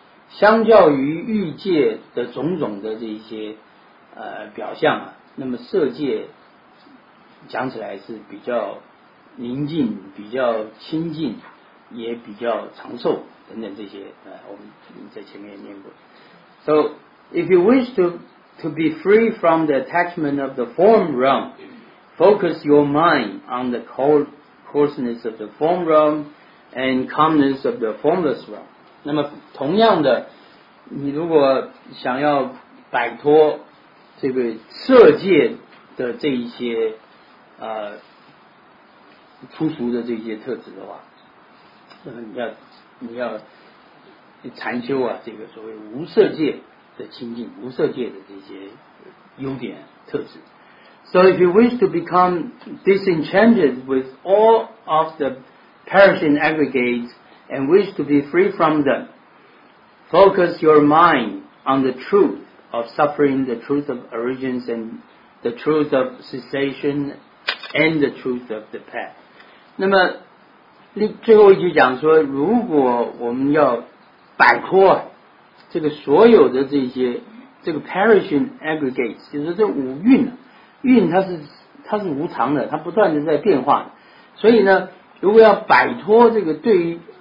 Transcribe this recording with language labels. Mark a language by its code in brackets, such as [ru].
[zh] 相较于欲界的种种的这一些表象啊，那么色界讲起来是比较宁静、比较清净，也比较长寿等等这些我们在前面也念过。 [en] So if you wish to be free from the attachment of the form realm, focus your mind on the coarseness of the form realm and calmness of the formless realm. [zh] 那么同样的，你如果想要摆脱这个色界的这一些粗俗的这些特质的话，那么你要禅修啊，这个所谓无色界的清净，无色界的这些优点特质。 [en] So if you wish to become disenchanted with all of the perishing aggregates,And wish to be free from them, focus your mind on the truth of suffering, the truth of origins, and the truth of cessation, and the truth of the path. [zh] 那么最后一句讲说，如果我们要摆脱这个所有的这些这个 [en] perishing aggregates， [zh] 就是这五蕴，蕴它是无常的，它不断的在变化的，所以呢，如果要摆脱这个对于